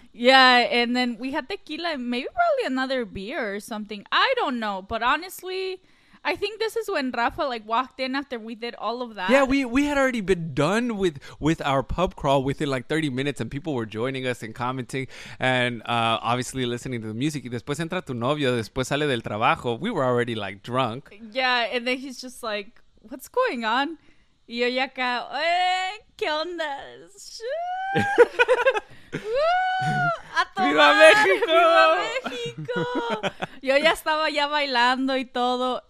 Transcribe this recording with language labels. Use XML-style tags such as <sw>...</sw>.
<en>Yeah, and then we had tequila and maybe probably another beer or something. I don't know. But honestly, I think this is when Rafa like walked in after we did all of that. Yeah, we had already been done with our pub crawl within like 30 minutes. And people were joining us and commenting. And obviously listening to the music.</en> <es>Y después entra tu novio, después sale del trabajo.</es> <en>We were already like drunk. Yeah, and then he's just like, what's going on?</en> <es>Yo ya acá, ¿qué onda? ¡A tomar! ¡Viva México! ¡Viva México! Yo ya estaba ya bailando y todo.</es>